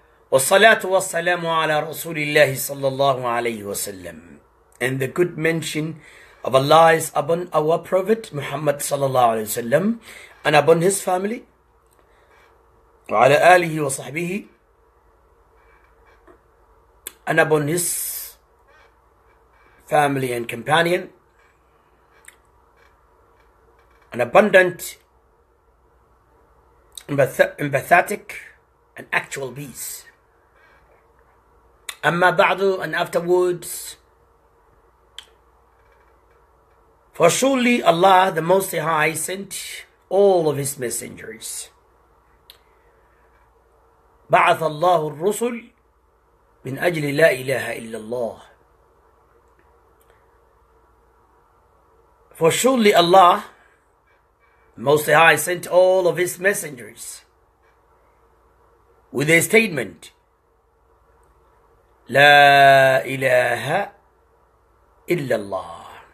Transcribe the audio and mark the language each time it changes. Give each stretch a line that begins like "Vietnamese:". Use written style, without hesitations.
Arabic: والصلاة والسلام على رسول الله صلى الله عليه وسلم.
English: And the good mention of Allah is upon our Prophet Muhammad sallallahu alayhi wa sallam and upon his family
Arabic: وعلى آله وصحبه
English: and upon his family and companion an abundant empathetic and actual peace.
Arabic: أما بعد
English: and afterwards, for surely Allah the Most High sent all of His messengers.
Arabic: بعث الله الرسل من أجل لا إله إلا الله.
English: For surely Allah the Most High sent all of His messengers with a statement,
Arabic: لا إله إلا الله.